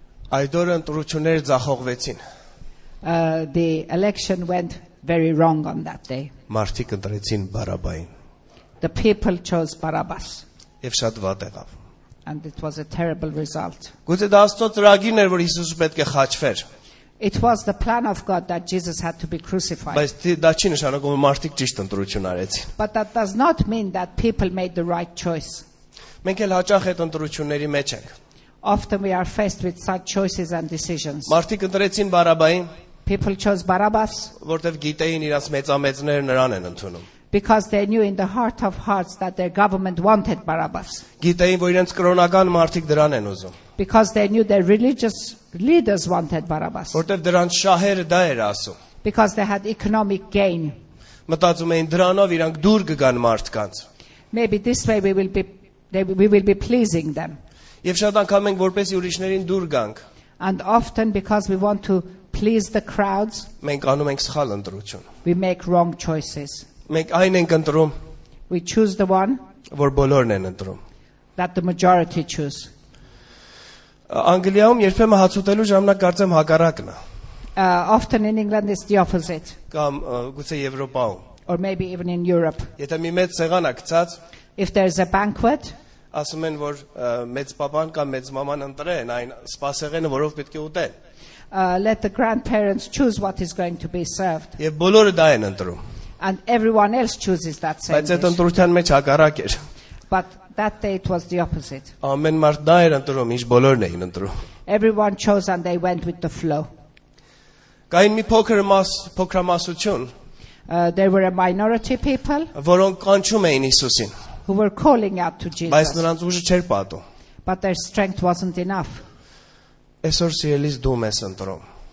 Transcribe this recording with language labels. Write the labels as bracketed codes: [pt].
[hy] Այդ օրը ընտրությունները ձախողվեցին. [en] The election went very wrong on that day. [hy] Մարդիկ ընտրեցին Բարաբային. [en] The people chose Barabbas. [hy] Եվ շատ վատ եղավ. [en] And it was a terrible result. [hy] Գուցե դա Աստծո ծրագիրն էր, որ Հիսուսը պետք է խաչվեր. [en] It was the plan of God that Jesus had to be crucified. [hy] Բայց դա չի նշանակում, որ մարդիկ ճիշտ ընտրություն արեցին. [en] But that does not mean that people made the right choice. [hy] Մենք էլ հաճախ այդ ընտրությունների մեջ ենք. [en] Often we are faced with such choices and decisions. [hy] Մարդիկ ընտրեցին Բարաբային. [en] People chose Barabbas. [hy] Որտեվ գիտեին իրաց մեծամեծները նրան են ընդունում. [en] Because they knew in the heart of hearts that their government wanted Barabbas. [hy] Գիտեին, որ իրենց կրոնական մարդիկ դրան են ուզում. [en] Because they knew their religious leaders wanted Barabbas. [hy] Որտեղ դրանց շահերը դա էր ասում. [en] Because they had economic gain. [hy] Մտածում էին դրանով իրանք դուր կգան մարդկանց. [en] Maybe this way we will be pleasing them. [hy] Եվ շատ անգամ ենք որպեսի ուրիշներին դուր գանք. [en] And often because we want to please the crowds. [hy] Մենք անում ենք սխալ ընտրություն. [en] We make wrong choices. [hy] Մենք այն ենք ընտրում, [en] we choose the one, [hy] որ բոլորն են ընտրում. [en] That the majority choose. [hy] Անգլիայում երբեմն հաց ուտելու ժամանակ կարծեմ հակառակն է. [en] Often in England it's the opposite. [hy] Կամ գուցե Եվրոպայում. [en] Or maybe even in Europe. [hy] Եթե մի մեծ սեղան է գցած, [en] if there's a banquet, [hy] ասում են, որ մեծ պապան կամ մեծ մաման ընտրեն այն սպասեղենը, որով պետք է ուտեն. [en] Let the grandparents choose what is going to be served. [hy] Եվ բոլորը դա են ընտրում. [en] And everyone else chooses that same [hy] Բայց այդ ընտրության մեջ հակառակ էր. [en] But that day it was the opposite. [hy] Ամեն մարդ դա էր ընտրում, ինչ բոլորն էին ընտրում. [en] Everyone chose and they went with the flow. [hy] Կային մի փոքրամասնություն. [en] There were a minority people. [hy] Որոնք կանչում էին Հիսուսին. [en] Who were calling out to Jesus. [hy] Բայց նրանց ուժը չէր պատում. [en] But their strength wasn't enough. [hy] Այսօր սիրելիս դու ես ընտրում.